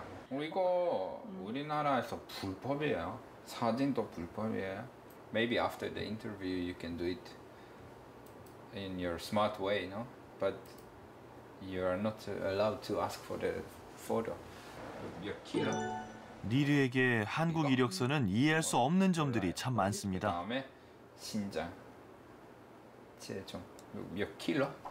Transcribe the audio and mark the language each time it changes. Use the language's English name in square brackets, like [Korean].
[Korean] 이거 우리나라에서 불법이에요. 사진도 불법이에요. [English] Maybe after the interview you can do it in your smart way, no? But you are not allowed to ask for the photo. [Korean] 니르에게 한국 이력서는 이해할 수 없는 점들이 참 많습니다. 다음에 신장, 체중, 몇 킬로?